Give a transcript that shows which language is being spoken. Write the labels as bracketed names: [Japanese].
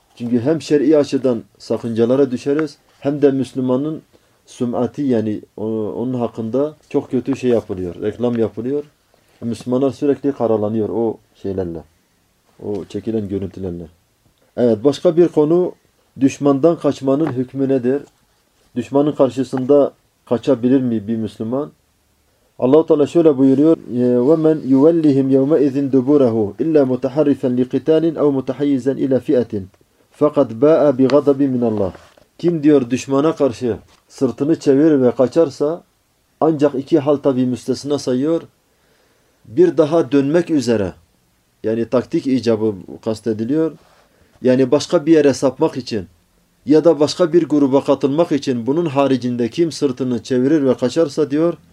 [Turkish] Çünkü hem şer'i açıdan sakıncalara düşeriz hem de Müslümanın sümati yani onun hakkında çok kötü şey yapılıyor. Reklam yapılıyor. Müslümanlar sürekli karalanıyor o şeylerle. O çekilen görüntülerle. Evet başka bir konu düşmandan kaçmanın hükmü nedir? Düşmanın karşısında kaçabilir mi bir Müslüman? Allah-u Teala şöyle buyuruyor. [Arabic] وَمَنْ يُوَلِّهِمْ يَوْمَئِذٍ دُبُورَهُ إِلَّا مُتَحَرِّفًا لِقِتَالٍ اَوْ مُتَحَيِّزًا اِلَى فِيَةٍ فَقَدْ بَاءَ بِغَضَبٍ مِنَ اللّٰهِ [Turkish] Kim diyor düşmana karşı sırtını çevirir ve kaçarsa Ancak iki hal tabii müstesna sayıyor. Bir daha dönmek üzere. Yani taktik icabı kastediliyor. Yani başka bir yere sapmak için ya da başka bir gruba katılmak için bunun haricinde kim sırtını çevirir ve kaçarsa diyor.